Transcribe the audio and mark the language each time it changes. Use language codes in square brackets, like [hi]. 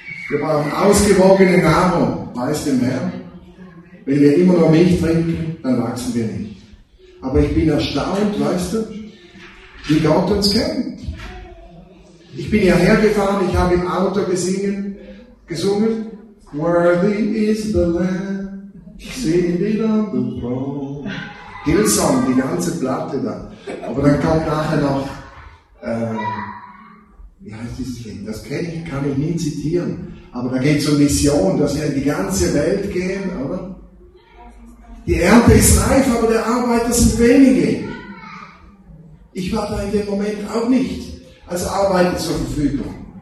[de] Wir brauchen ausgewogene Nahrung, weiß dem Herrn. Wenn wir immer noch Milch trinken, dann wachsen wir nicht. Aber ich bin erstaunt, weißt du, wie Gott uns kennt. Ich bin hierher gefahren, ich habe im Auto gesungen. [en] Worthy is the Lamb, seated on the throne. [de] Hillsong, die ganze Platte da. Aber dann kommt nachher noch, wie heißt dieses Lied? Das kann ich nie zitieren. Aber da geht es um Mission, dass wir in die ganze Welt gehen, oder? Die Ernte ist reif, aber der Arbeiter sind wenige. Ich war da in dem Moment auch nicht als Arbeiter zur Verfügung.